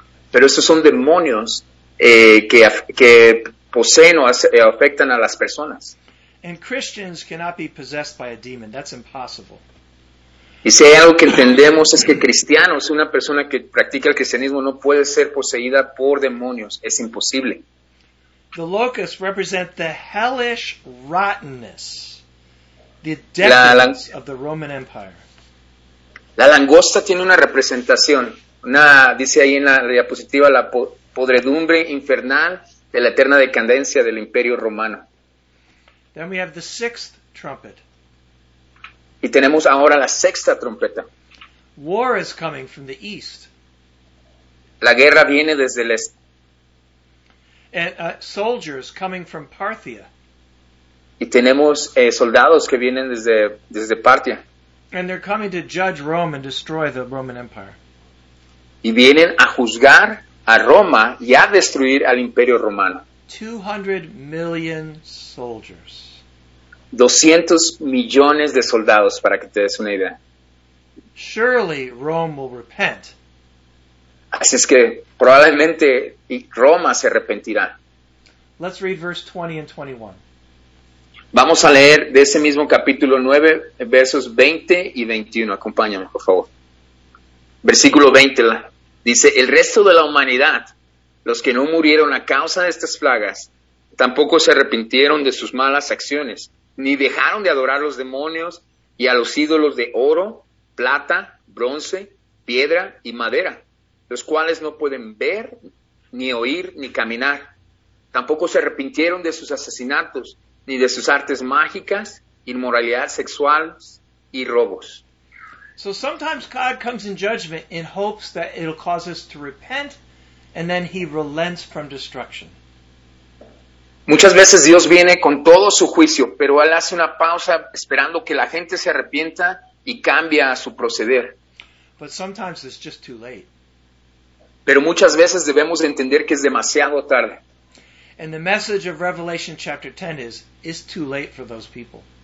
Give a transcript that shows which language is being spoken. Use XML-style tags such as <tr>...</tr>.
<es>Pero estos son demonios que poseen o afectan a las personas.</es> <en>And Christians cannot be possessed by a demon. That's impossible.</en> <es>Y si hay algo que entendemos es que cristianos, una persona que practica el cristianismo, no puede ser poseída por demonios. Es imposible.</es> <en>The locusts represent the hellish rottenness, the decadence of the Roman Empire.</en> <es>La langosta tiene una representación. Dice ahí en la diapositiva, la podredumbre infernal de la eterna decadencia del Imperio Romano.</es> <en>Then we have the sixth trumpet.</en> <es>Y tenemos ahora la sexta trompeta.</es> <en>War is coming from the east.</en> <es>La guerra viene desde el este.</es> <en>And soldiers coming from Parthia.</en> <es>Y tenemos soldados que vienen desde Partia.</es> <en>And they're coming to judge Rome and destroy the Roman Empire.</en> <es>Y vienen a juzgar a Roma y a destruir al Imperio Romano.</es> <en>200 million soldiers.</en> <es>200 millones de soldados, para que te des una idea.</es> <en>Surely Rome will repent.</en> <es>Así es que probablemente Roma se arrepentirá.</es> <en>Let's read verse 20 and 21.</en> <es>Vamos a leer de ese mismo capítulo 9, versos 20 y 21. Acompáñame, por favor. Versículo 20 dice, el resto de la humanidad, los que no murieron a causa de estas plagas, tampoco se arrepintieron de sus malas acciones, ni dejaron de adorar a los demonios y a los ídolos de oro, plata, bronce, piedra y madera, los cuales no pueden ver, ni oír, ni caminar. Tampoco se arrepintieron de sus asesinatos, ni de sus artes mágicas, inmoralidad sexual y robos.</es> <en>So sometimes God comes in judgment in hopes that it'll cause us to repent, and then he relents from destruction.</en> <es>Muchas veces Dios viene con todo su juicio, pero Él hace una pausa esperando que la gente se arrepienta y cambie a su proceder.</es> <en>But sometimes it's just too late.</en> <es>Pero muchas veces debemos entender que es demasiado tarde.</es> <en>And the message of Revelation chapter 10 is, it's too late for those people.</en>